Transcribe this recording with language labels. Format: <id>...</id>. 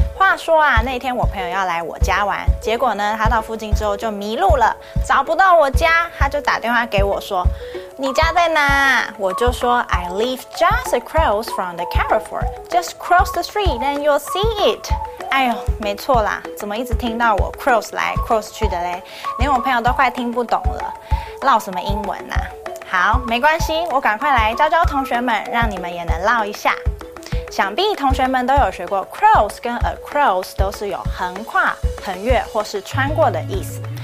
<zh>话说啊，那天我朋友要来我家玩，结果呢，他到附近之后就迷路了，找不到我家，他就打电话给我说。你家在哪？我就说</zh> <en>I live just across from the Carrefour. Just cross the street and you'll see it.</en> <zh>哎呦，没错啦，怎么一直听到我 cross 来 cross 去的嘞？连我朋友都快听不懂了，唠什么英文呐？好，没关系，我赶快来教教同学们，让你们也能唠一下。想必同学们都有学过 cross 跟 across 都是有横跨、横越或是穿过的意思。</zh>